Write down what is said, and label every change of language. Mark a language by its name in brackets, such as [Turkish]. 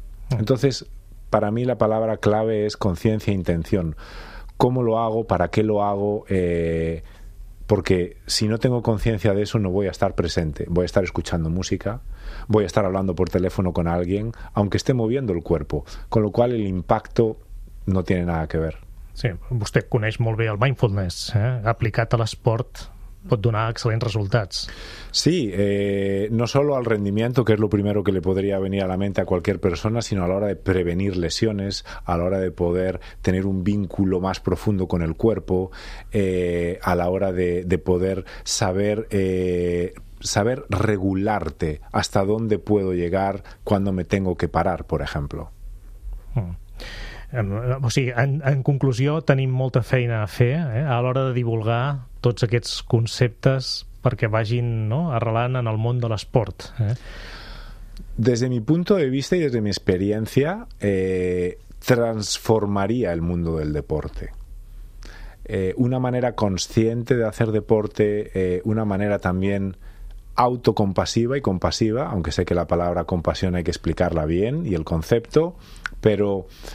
[Spanish] Entonces, para mí la palabra clave es conciencia e intención. ¿Cómo lo hago? ¿Para qué lo hago? Porque si no tengo conciencia de eso, no voy a estar presente. Voy a estar escuchando música, voy a estar hablando por teléfono con alguien, aunque esté moviendo el cuerpo. Con lo cual, el impacto no tiene nada que ver. [Catalan] Sí, vostè coneix molt bé el mindfulness, eh? Aplicat a l'esport pot donar excel·lents resultats. [Spanish] Sí, no solo al rendimiento, que es lo primero que le podría venir a la mente a cualquier persona, sino a la hora de prevenir lesiones, a la hora de poder tener un vínculo más profundo con el cuerpo, a la hora de poder saber, saber regularte hasta dónde puedo llegar, cuándo me tengo que parar, por ejemplo. [Catalan] O sigui, en conclusió, tenim molta feina a fer, eh? A l'hora de divulgar tots aquests conceptes perquè vagin, no?, arrelant en el món de l'esport. [Spanish] Desde mi punto de vista y desde mi experiencia, transformaría el mundo del deporte. Una manera consciente de hacer deporte, una manera también autocompasiva y compasiva, aunque sé que la palabra compasión hay que explicarla bien y el concepto, pero